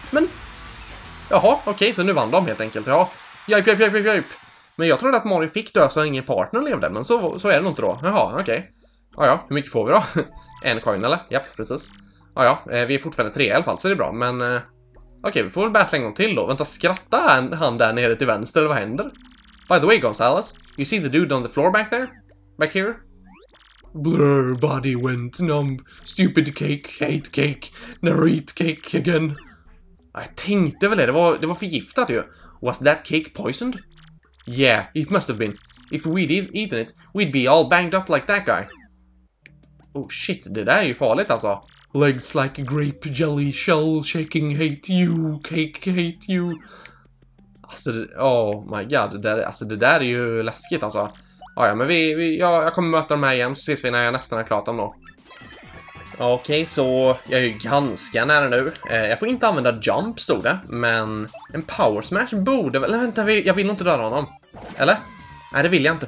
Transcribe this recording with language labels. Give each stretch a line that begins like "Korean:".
Swedish: Men jaha, okej, så nu vann de helt enkelt. Ja. Jajp. Men jag trodde att Mario fick dö så ingen partner levde, men så är det nog inte då. Jaha, okej. Ja, hur mycket får vi då? En coin eller? Japp, precis. Ja, vi är fortfarande tre i alla fall, så det är bra, men okej, vi får väl battle en gång till då. Vänta, skratta han där nere till vänster, eller vad händer?
English: By the way, Gonzales, you see the dude on the floor back there? Back here? Blur, body went numb, stupid cake, hate cake, never eat cake again.
Swedish: Jag tänkte väl det var förgiftat ju.
English: Was that cake poisoned? Yeah, it must have been. If we'd eaten it, we'd be all banged up like that guy. Oh shit,
Swedish: det där är ju farligt alltså.
English: Legs like grape jelly shell shaking hate you, cake hate you.
Swedish: Alltså,
English: oh my god,
Swedish: det där är ju läskigt alltså. Ja, men jag kommer möta dem här igen så ses vi när jag nästan har klart dem då. Okej, så jag är ju ganska nära nu. Jag får inte använda jump, stod det. Men en power smash borde väl... Vänta, jag vill nog inte döda honom. Eller? Nej, det vill jag inte.